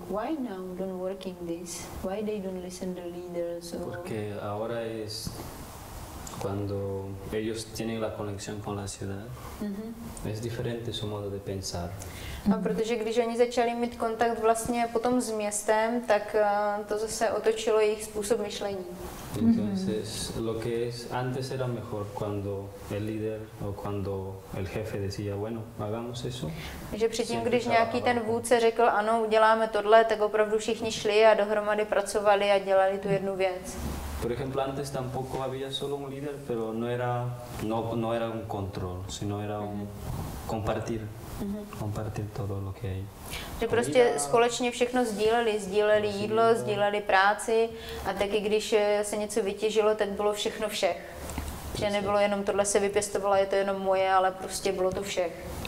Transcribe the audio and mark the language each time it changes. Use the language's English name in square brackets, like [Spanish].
[English] Why now don't working this? Why they don't listen the leaders? [Spanish] Porque ahora es cuando ellos tienen la conexión con la ciudad. Mm-hmm. Es diferente su modo de pensar. [Czech] A protože když oni začali mít kontakt vlastně potom s městem, tak to zase otočilo jejich způsob myšlení. [Spanish] Entonces, lo que es, antes era mejor cuando el líder o cuando el jefe decía, bueno, hagamos eso. [Czech] Že předtím, když nějaký ten vůdce řekl, ano, uděláme tohle, tak opravdu všichni šli a dohromady pracovali a dělali tu jednu věc. [Spanish] Por ejemplo, antes tampoco había solo un líder, pero no era un control, sino era un compartir. Compartir todo lo que hay. [Czech] Že prostě společně všechno sdíleli, sdíleli jídlo, sdíleli práci a taky když se něco vytěžilo, tak bylo všechno všech. Že nebylo jenom tohle se vypěstovalo, je to jenom moje, ale prostě bylo to všech.